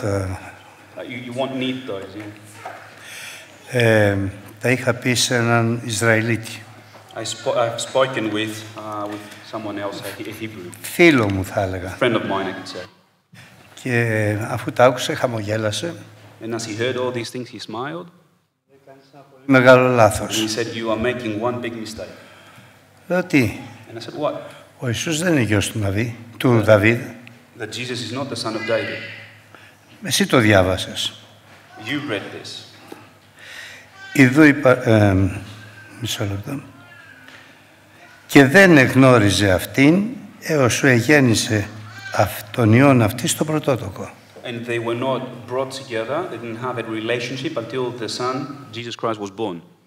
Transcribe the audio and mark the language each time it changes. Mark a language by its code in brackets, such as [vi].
[en] You won't need those. [el] Τα είχα πει σε έναν Ισραηλίτη. [en] I've spoken with someone else, a Hebrew. [el] Φίλο μου, θα έλεγα. [en] Friend of mine, I could say. [el] Και αφού τα άκουσε, χαμογέλασε. [en] And as he heard all these things, he smiled. [el] Μεγάλο λάθος. [en] He said, you are making one big mistake. [el] Λέω τι. [en] And I said, what? [el] Ο Ιησούς δεν είναι γιος του Δαβίδ. Του Δαβίδ. [en] That Jesus is not the son of David. [el] Εσύ το διάβασες. [en] You read this. [el] Ιδού είπα, μισό λεπτό. Και δεν εγνώριζε αυτήν έως σου εγέννησε τον Υιόν αυτή στο πρωτότοκο. [en] And they were not brought together. They didn't have a relationship until the Son, Jesus Christ, was born.